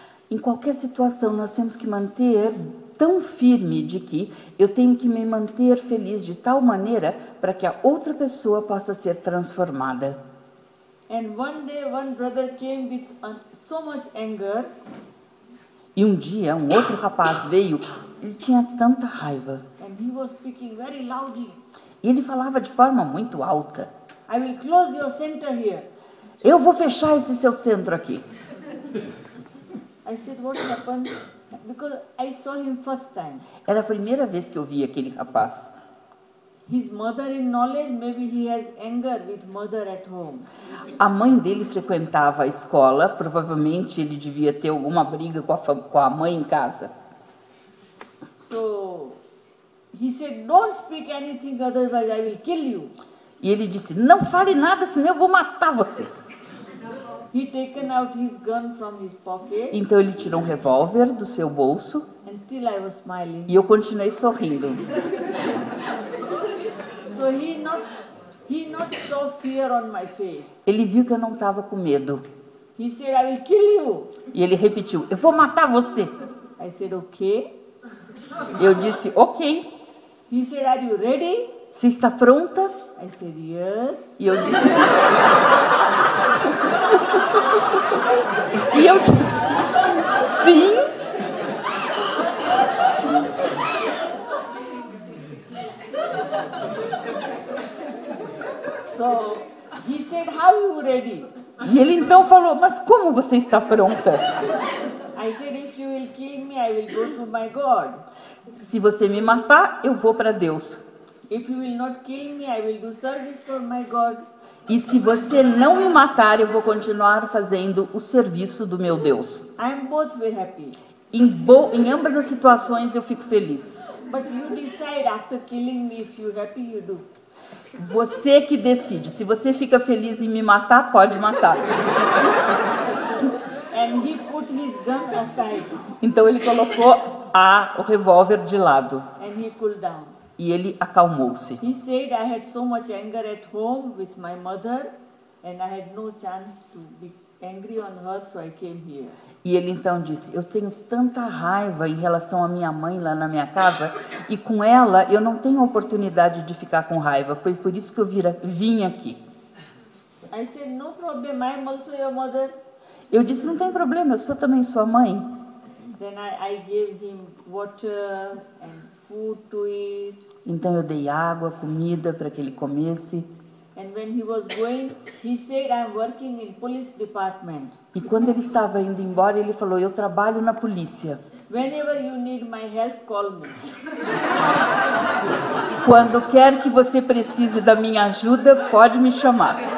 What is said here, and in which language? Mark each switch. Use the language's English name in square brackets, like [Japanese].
[Portuguese] Em qualquer situação nós temos que manter tão firme de que eu tenho que me manter feliz de tal maneira para que a outra pessoa possa ser transformada. [English] And one day one brother came with so much anger. [Portuguese] E um dia um outro rapaz veio, ele tinha tanta raiva. [English] And he was speaking very loudly. [Portuguese] E ele falava de forma muito alta. [English] I will close your center here. [Portuguese] Eu vou fechar esse seu centro aqui. [English] I said, what happened? Because I saw him first time. [Portuguese] Era a primeira vez que eu vi aquele rapaz. [English] His mother in knowledge, maybe he has anger with mother at home. [Portuguese] A mãe dele frequentava a escola, provavelmente ele devia ter alguma briga com a mãe em casa. [English] So he said, "Don't speak anything, otherwise I will kill you." [Portuguese] E ele disse: "Não fale nada, senão eu vou matar você." [English] He taken out his gun from his pocket. [Portuguese] Então ele tirou um revólver do seu bolso. [English] And still I was smiling. [Portuguese] E eu continuei sorrindo. [English] So he not saw fear on my face. [Portuguese] Ele viu que eu não estava com medo. [English] He said, "I will kill you." [Portuguese] E ele repetiu: "Eu vou matar você." [English] I said, "Okay." [Portuguese] Eu disse: "Ok." [English] He said, "Are you ready?" [Portuguese] Você está pronta? [English] I said, "Yes." [Portuguese] E eu disse. E eu disse: "Sim." [English] So, he said, "How are you ready?" [Portuguese] E ele então falou: "Mas como você está pronta?" [English] I said, "If you will kill me, I will go to my God." [Portuguese] Se você me matar, eu vou para Deus. [English] If you will not kill me, I will do service for my God. [Portuguese] E se você não me matar, eu vou continuar fazendo o serviço do meu Deus. [English] I am both very happy. [Portuguese] Em ambas as situações eu fico feliz. [English] But you decide after killing me if you're happy, you do. [Portuguese] Você que decide. Se você fica feliz em me matar, pode matar. [English] And he put his gun aside. [Portuguese] Então ele colocou o revólver de lado. [English] And he cooled down. [Portuguese] E ele acalmou-se. [English] He said, "I had so much anger at home with my mother, and I had no chance to be angry on her, so I came here." [Portuguese] E ele então disse: "Eu tenho tanta raiva em relação à minha mãe lá na minha casa, e com ela eu não tenho oportunidade de ficar com raiva. Foi por isso que eu vim aqui." [English] I said, "No problem, I'm also your mother." [Portuguese] Eu disse: "Não tem problema, eu sou também sua mãe." [English] Then I gave him water and food to eat. [Portuguese] Então eu dei água, comida para que ele comesse. [English] And when he was going, he said, "I'm working in police department." [Portuguese] E quando ele estava indo embora, ele falou: "Eu trabalho na polícia." [English] "Whenever you need my help, call me." [Portuguese] Quando quer que você precise da minha ajuda, pode me chamar.